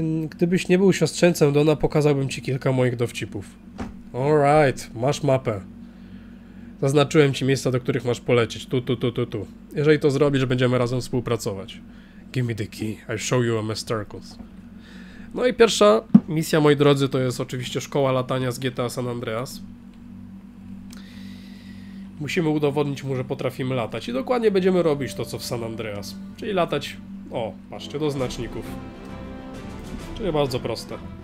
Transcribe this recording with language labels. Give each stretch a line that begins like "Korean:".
Polish: Gdybyś nie był siostrzeńcem Dona, pokazałbym ci kilka moich dowcipów. Alright, masz mapę. Zaznaczyłem ci miejsca, do których masz polecieć. Tu. Jeżeli to zrobisz, będziemy razem współpracować.
English: Give me the key, I'll show you a masterclass.
Polish: No i pierwsza misja, moi drodzy, to jest oczywiście szkoła latania z GTA San Andreas. Musimy udowodnić mu, że potrafimy latać. I dokładnie będziemy robić to, co w San Andreas. Czyli latać... O, patrzcie, do znaczników. Czyli bardzo proste.